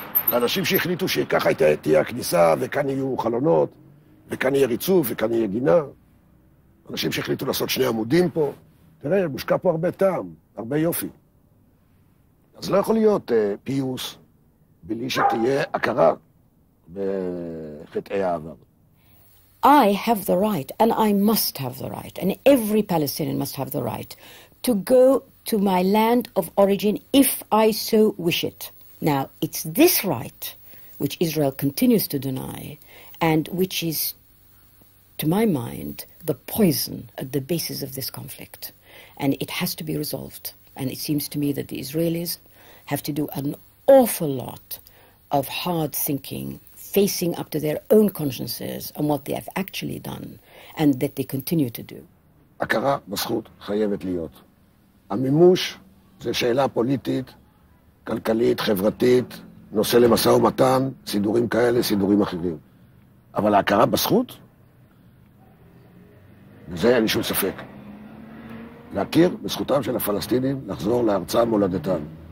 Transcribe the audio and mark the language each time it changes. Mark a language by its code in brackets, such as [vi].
[he] לאנשים שהחליטו שככה תהיה הכניסה וכאן יהיו חלונות, וכאן יהיה ריצוף וכאן יהיה גינה. אנשים שהחליטו לעשות שני עמודים פה. תראה, מושקע פה הרבה טעם, הרבה יופי. אז לא יכול להיות פיוס בלי שתהיה הכרה בחטאי העבר. [en] I have the right, and I must have the right, and every Palestinian must have the right, to go to my land of origin if I so wish it. Now, it's this right which Israel continues to deny, and which is, to my mind, the poison at the basis of this conflict. And it has to be resolved. And it seems to me that the Israelis have to do an awful lot of hard thinking facing up to their own consciences on what they have actually done and that they continue to do. [he] הכרה בזכות חייבת להיות. המימוש זה שאלה פוליטית, כלכלית, חברתית, נושא למסע ומתן, סידורים כאלה, סידורים אחרים. אבל ההכרה בזכות? זה אין שום ספק. להכיר בזכותם של הפלסטינים לחזור לארצה מולדתם.